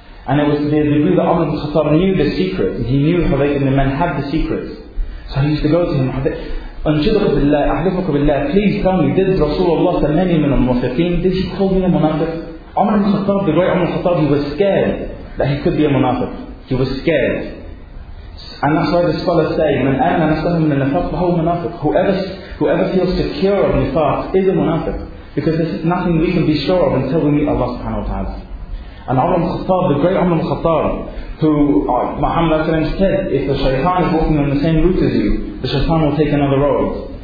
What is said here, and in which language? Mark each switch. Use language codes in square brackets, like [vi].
[en] And it was to the degree that Umar ibn Khattab knew the secret. He knew Hudhayfah ibn al-Yaman had the secrets. So he used to go to him, [ar] أنشدك بالله أحلفك بالله. [en] Please tell me, did Rasulullah send any [ar] من المنافقين? [en] Did he call me a munafiq? Umar ibn Khattab, the great Umar ibn Khattab, he was scared that he could be a munafiq. He was scared. And that's why the scholars say, [ar] من آمن نفسه من النفاق فهو منافق. [en] Whoever feels secure of nifaq is a munafiq. Because there's nothing we can be sure of until we meet Allah subhanahu wa ta'ala. And Umar ibn Khattab, the great Umar ibn Khattab, who Muhammad said, if the shaitan is walking on the same route as you, the shaitan will take another road.